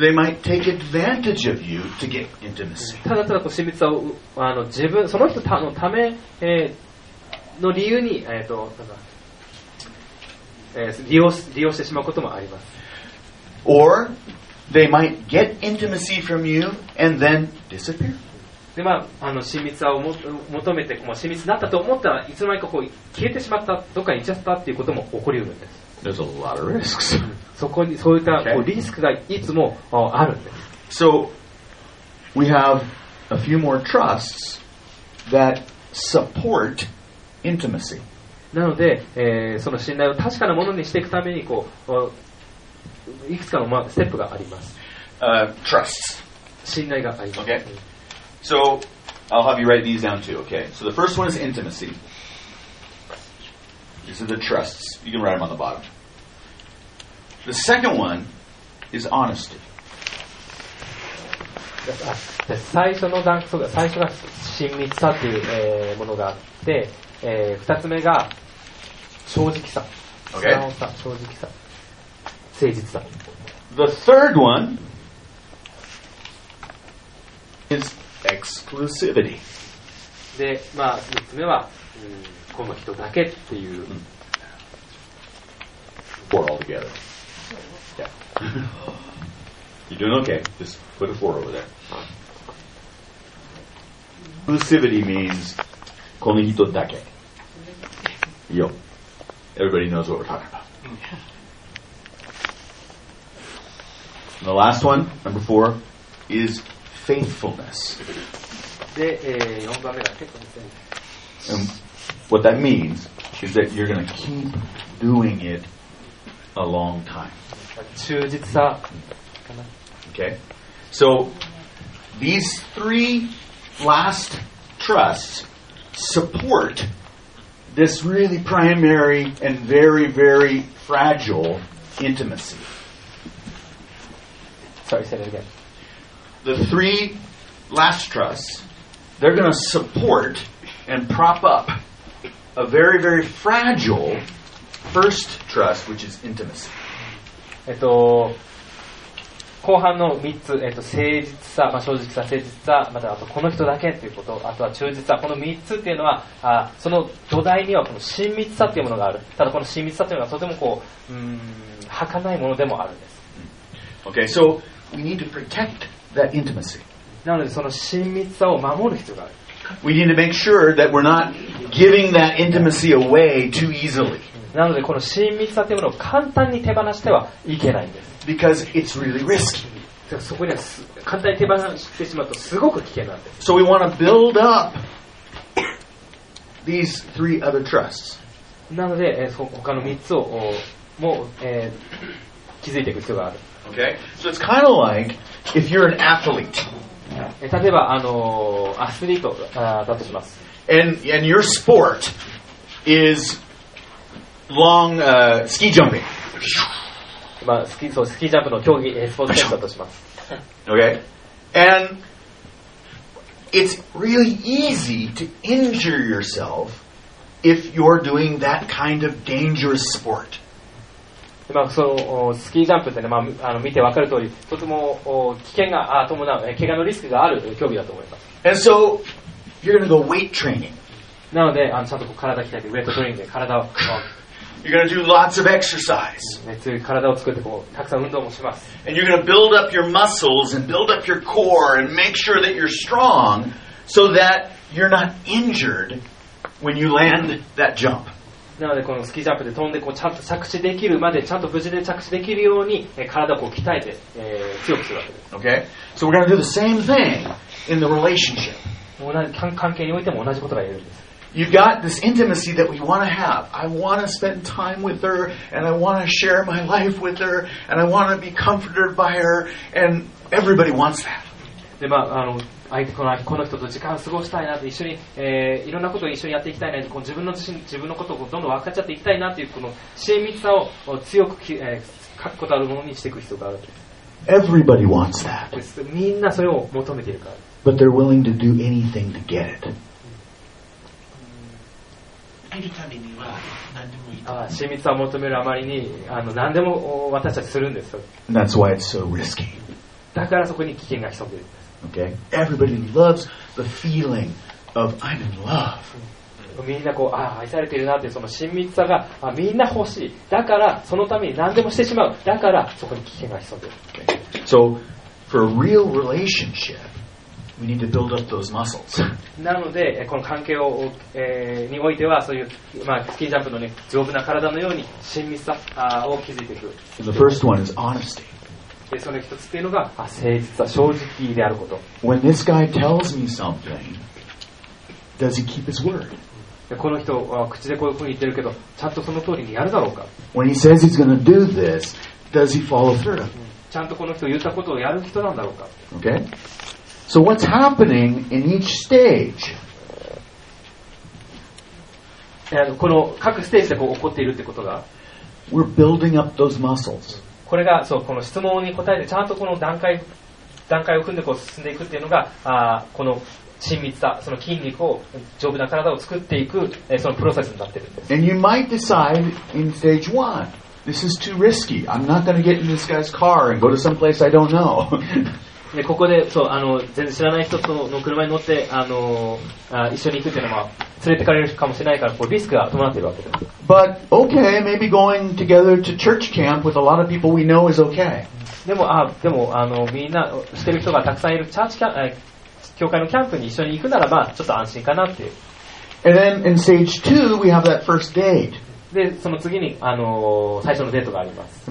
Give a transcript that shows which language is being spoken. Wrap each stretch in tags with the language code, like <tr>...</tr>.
<en>They might take advantage of you to get intimacy.</en> <ja>ただただこう親密さをあの自分その人のため、の理由に、ただ、利用してしまうこともあります。</ja> <en>Or they might get intimacy from you and then disappear.</en> <ja>で、まあ、あの親密さを求めて、まあ、親密になったと思ったらいつの間にかこう消えてしまったどっかに行っちゃったっていうことも起こりうるんです。</ja> <en>There's a lot of risks.</en> <ja>そこにそういったこうリスクがいつもあるんです。</ja> <en>So we have a few more trusts that support intimacy.</en> <ja>なので、その信頼を確かなものにしていくためにこういくつかのステップがあります。</ja> <en>Trusts.</en> <ja>信頼があります。</ja> <en>Okay. So I'll have you write these down too. Okay. So the first one is intimacy. These are the trusts. You can write them on the bottom. The second one is honesty.</en> <ja>The 最初の段階が最初が親密さという、ものがあって、二つ目が正直さ、</ja> <en>okay.</en> <ja>正直さ、誠実さ。</ja> <en>The third one is exclusivity.</en> <ja>で、まあ三つ目は、この人だけっていう。</ja> <en>Four altogether. Yeah. You're doing okay. Just put a four over there. Exclusivity means</en> <ja>この人だけ.</ja> <en>Yo. Everybody knows what we're talking about. And the last one, number four, is faithfulness.</en> <ja>で、4番目が結構ですね。</ja> <en>And what that means is that you're going to keep doing itA long time.</en> <ja>忠実さ</ja> <en>Okay. So these three last trusts support this really primary and very, very fragile intimacy. Sorry, say that again. The three last trusts, they're going to support and prop up a very, very fragile. First trust, which is intimacy.</en> <ja>後半の3つ、誠実さ、まあ、正直さ、誠実さ、またあとこの人だけということ、あとは忠実さ、この3つというのは、その土台にはこの親密さというものがある。ただこの親密さというのはとてもこう、儚いものでもあるんです。</ja> <en>Okay, so we need to protect that intimacy.</en> <ja>なのでその親密さを守る必要がある。</ja> <en>We need to make sure that we're not giving that intimacy away too easily.</en> <ja>なのでこの親密さというものを簡単に手放してはいけないんです。</ja> <en>Because it's really risky.</en> <ja>そこには簡単に手放してしまうとすごく危険なんです。</ja> <en>So we want to build up these three other trusts.</en> <ja>なので、他の3つをも、気づいていく必要がある。</ja> <en>Okay? So it's kind of like if you're an athlete.</en> <ja>例えば、アスリートだとします。</ja> <en>And your sport is long, ski jumping.</en> <ja>まあ、スキージャンプの競技、スポーツ選手だとします。</ja> <en>Okay? And it's really easy to injure yourself if you're doing that kind of dangerous sport.</en> <ja>まあ、そのスキージャンプって、ねまあ、見て分かる通りとても危険が伴う怪我のリスクがある競技だと思います。</ja> <en>And so, you're gonna go weight training.</en> <ja>なのでちゃんとこう体鍛えてウェイトトレーニングで体を</ja> <en>you're gonna do lots of exercise.</en> <ja>熱い体を作ってこうたくさん運動もします。</ja> <en>And you're gonna build up your muscles and build up your core and make sure that you're strong so that you're not injured when you land that jump.</en> <ja>なのでこのスキージャンプで飛んでこうちゃんと着地できるまでちゃんと無事で着地できるように体をこう鍛えて強くするわけです。</ja> <en>Okay, so we're going to do the same thing in the relationship.</en> <ja>同じ関係においても同じことが言えるんです。</ja> <en>You've got this intimacy that we want to have. I want to spend time with her, and I want to share my life with her, and I want to be comforted by her, and everybody wants that.</en> <ja>でまあこの人と時間を過ごしたいなと一緒に、いろんなことを一緒にやっていきたいなとこう自分の自身自分のことをどんどん分かっちゃっていきたいなというこの親密さを強く、書くことあるものにしていく必要がある。</ja> <en>Everybody wants that.</en> <ja>みんなそれを求めているから。</ja> <en>But they're willing to do anything to get it.</en> <ja>いるためには何でもいい。ああ、親密さを求めるあまりに何でも私たちするんです。</ja> <en>That's why it's so risky.</en> <ja>だからそこに危険が潜んでいる。</ja> <en>Okay. Everybody loves the feeling of I'm in love.</en> <ja>みんなこう愛されているなってその親密さがみんな欲しい。だからそのために何でもしてしまう。だからそこに危険が潜んでいる。</ja> <en>Okay. So for a real relationship, we need to build up those muscles.</en> <ja>なのでこの関係を、においてはそういう、まあ、スキージャンプのね丈夫な体のように親密さを築いていく。</ja> <en>So、the first one is honesty.</en> <ja>でその一つっていうのが誠実さ正直であること。</ja> <en>When this guy tells me something, does he keep his word?</en> <ja>この人は口でこういうふうに言ってるけどちゃんとその通りにやるだろうか。</ja> <en>When he says he's going to do this, does he follow through?</en> <ja>ちゃんとこの人言ったことをやる人なんだろうか。</ja> <en>Okay. So what's happening in each stage?</en> <ja>この各ステージでこう起こっているってことが</ja> <en>We're building up those muscles.</en> <ja>これがそうこの質問に答えてちゃんとこの段階を踏んでこう進んでいくっていうのがこの親密さその筋肉を丈夫な体を作っていくそのプロセスになってるんです。</ja> <en>And you might decide in stage one, this is too risky. I'm not going to get in this guy's car and go to some place I don't know.</en> <ja>でここでそう全然知らない人との車に乗って一緒に行くっていうのは連れてかれるかもしれないからこうリスクが伴っているわけです。</ja> <en>But okay, maybe going together to church camp with a lot of people we know is okay.</en> <ja>でもみんな知ってる人がたくさんいるチャーチキャン、教会のキャンプに一緒に行くならばちょっと安心かなっていう。</ja> <en>And then in stage two, we have that first date.</en> <ja>でその次に最初のデートがあります。</ja>